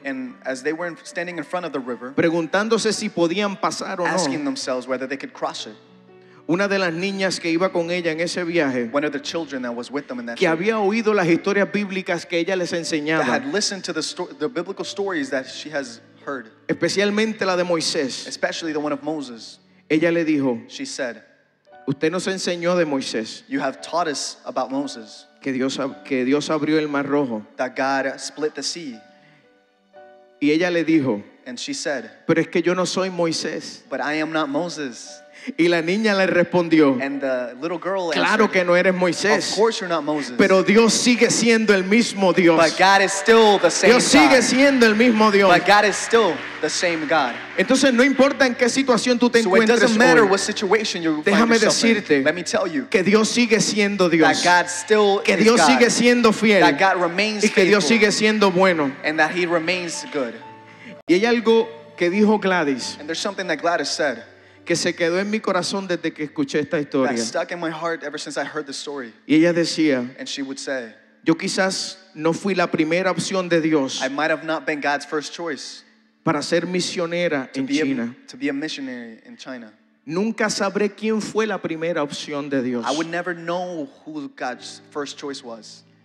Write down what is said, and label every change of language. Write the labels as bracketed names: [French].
[English] and as they were standing in front of the river, [Spanish] preguntándose si podían pasar o no, [English] asking themselves whether they could cross it, [Spanish] una de las niñas que iba con ella en ese viaje, [English] one of the children that was with them in that [Spanish] que trip, había oído las historias bíblicas que ella les enseñaba, [English] that had listened to the biblical stories that she has heard, [Spanish] especialmente la de Moisés, [English] especially the one of Moses, [Spanish] ella le dijo, [English] she said, [Spanish] usted nos enseñó de Moisés, [English] you have taught us about Moses, [Spanish] que Dios abrió el Mar Rojo. [English] That God split the sea. [Spanish] Y ella le dijo, [English] and she said, [Spanish] pero es que yo no soy Moisés. [English] But I am not Moses. [Spanish] Y la niña le respondió, [English] and the little girl answered, [Spanish] claro que no eres Moisés, [English] of course you're not Moses. [Spanish] Pero Dios sigue siendo el mismo Dios. [English] But God is still the same [Spanish] Dios sigue [English] God. [Spanish] Siendo el mismo Dios. [English] But God is still the same God. [Spanish] Entonces no importa en qué situación tú te [English] so [Spanish] encuentres [English] it doesn't matter [Spanish] hoy, [English] what situation you [Spanish] déjame decirte in. [English] Let me tell you, [Spanish] que Dios sigue siendo Dios. [English] That God still [Spanish] que Dios [English] is [Spanish] sigue [English] God. [Spanish] Siendo fiel. [English] That God remains [Spanish] y que [English] faithful. [Spanish] Dios sigue siendo bueno. [English] And that he remains good. [Spanish] Y hay algo que dijo Gladys. [English] And there's something that Gladys said. [Spanish] Que se quedó en mi corazón desde que escuché esta historia. [English] That stuck in my heart ever since I heard the story. [Spanish] Y ella decía, [English] and she would say, [Spanish] yo quizás no fui la primera opción de Dios. [English] I might have not been God's first choice. [Spanish] Para ser misionera en China. [English] To be a missionary in China. [Spanish] Nunca sabré quién fue la primera opción de Dios. [English] I would never know who God's first choice was.